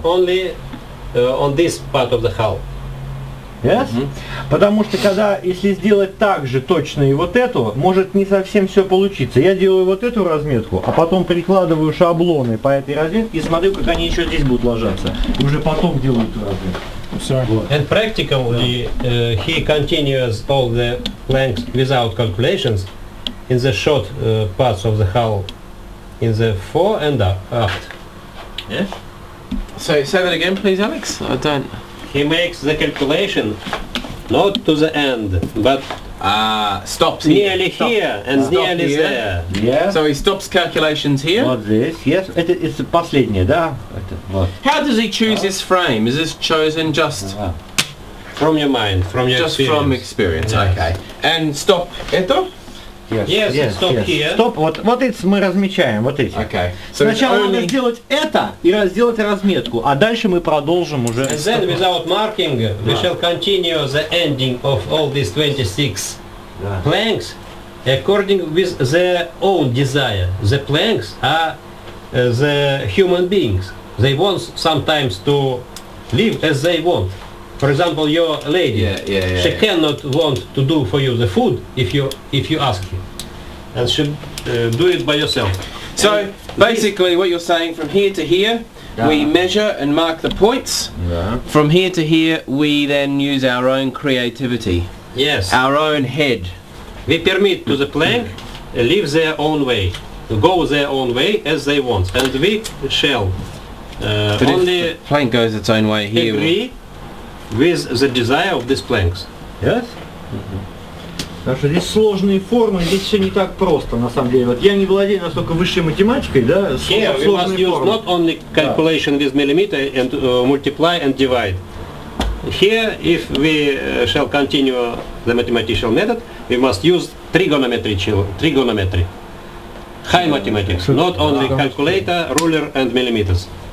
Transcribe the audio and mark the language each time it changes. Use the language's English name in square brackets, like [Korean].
[English] Only on this part of the hull. Yes? Mm-hmm. [Russian] Потому что когда, если сделать так же точно и вот эту, может не совсем все получиться. Я делаю вот эту разметку, а потом прикладываю шаблоны по этой разметке и смотрю, как они еще здесь будут ложаться. И уже потом делаю эту разметку. [English] Sorry. And practically, he continues all the planks without calculations in the short parts of the hull, in the fore and aft. Yes? So say that again, please, Alex. I don't. He makes the calculation not to the end, but stops nearly here, stop here and stop nearly here. There. Yeah. So he stops calculations here. What this? Yes, it's the [Russian] последнее, да? [English] How does he choose this frame? Is this chosen just from your mind, from your just Just from experience. Yes. Okay. And stop [Russian] это? [English] Yes. Yes. Stop here. [Russian] Стоп. Вот это мы размечаем. Вот эти. [English] Okay. [Russian] So сначала надо сделать это и сделать разметку, а дальше мы продолжим уже. [English] And then without marking, we shall continue the ending of all these 26 planks according with their own desire. The planks are the human beings. They want sometimes to live as they want. For example, your lady, she cannot want to do for you the food if you ask her, and she do it by yourself. So and basically, what you're saying, from here to here, we measure and mark the points. Yeah. From here to here, we then use our own creativity. Yes. Our own head. We permit to the plank live their own way. go their own way as they want, and we shall but only if the plank goes its own way here. Agree with the desire of these planks. Yes. [Russian] Потому что здесь сложные формы, здесь все не так просто, на самом деле. Вот я не владею настолько высшей математикой, да, сложные формы. [English] Here we must use not only calculation with millimeter and multiply and divide. Here, if we shall continue the mathematical method, we must use trigonometry. High mathematics, not only calculator, ruler and millimeters.